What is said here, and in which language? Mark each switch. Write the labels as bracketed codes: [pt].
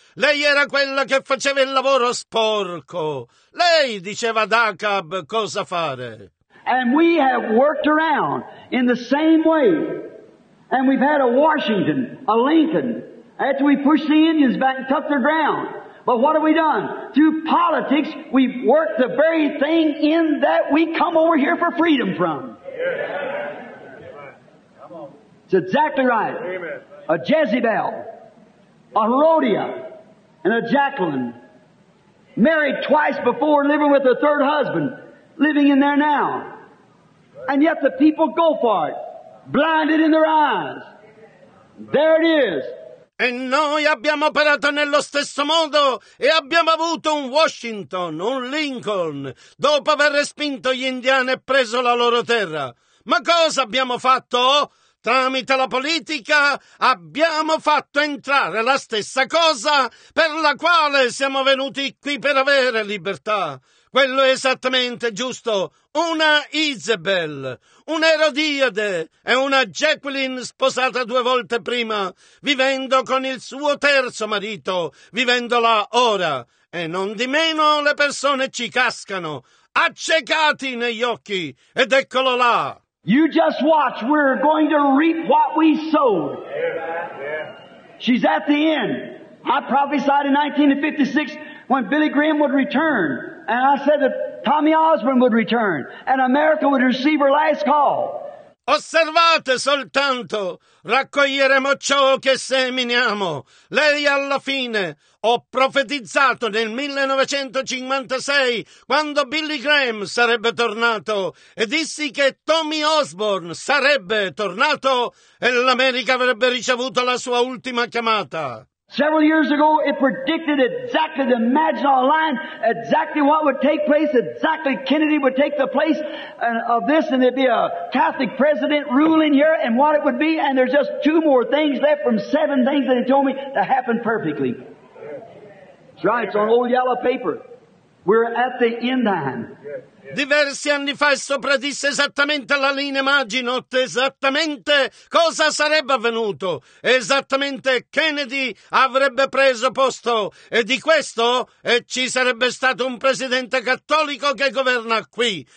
[it] Lei era quella che faceva il lavoro sporco. Lei diceva ad Acab cosa fare. [en] And we have worked around in the same way. And we've had a Washington, a Lincoln, after we pushed the Indians back and took their ground. But what have we done? Through politics, we've worked the very thing in that we come over here for freedom from. It's exactly right. A Jezebel, a Herodia, and a Jacqueline, married twice before, living with her third husband, living in there now. And yet the people go for it, blinded in their eyes. There it is. [it] E noi abbiamo operato nello stesso modo e abbiamo avuto un Washington, un Lincoln, dopo aver respinto gli indiani e preso la loro terra. Ma cosa abbiamo fatto? Tramite la politica abbiamo fatto entrare la stessa cosa per la quale siamo venuti qui per avere libertà. Quello è esattamente giusto. Una Isabel, un Erodiade e una Jacqueline sposata due volte prima, vivendo con il suo terzo marito, vivendola ora. E non di meno le persone ci cascano, accecati negli occhi, ed eccolo là. [en] You just watch, we're going to reap what we sowed. She's at the end. I prophesied in 1956 when Billy Graham would return. And I said that Tommy Osborne would return and America would receive her last call. [it] Osservate soltanto, raccoglieremo ciò che seminiamo. Lei alla fine, ho profetizzato nel 1956, quando Billy Graham sarebbe tornato, e dissi che Tommy Osborne sarebbe tornato e l'America avrebbe ricevuto la sua ultima chiamata. [en] Several years ago, it predicted exactly the Maginot Line, exactly what would take place, exactly Kennedy would take the place of this, and there'd be a Catholic president ruling here, and what it would be, and there's just two more things left from seven things that he told me to happen perfectly. That's right, it's on old yellow paper. We're at the end time. [it] Diversi anni fa esso predisse esattamente la linea Maginot, esattamente cosa sarebbe avvenuto, esattamente Kennedy avrebbe preso posto e di questo e ci sarebbe stato un presidente cattolico che governa qui.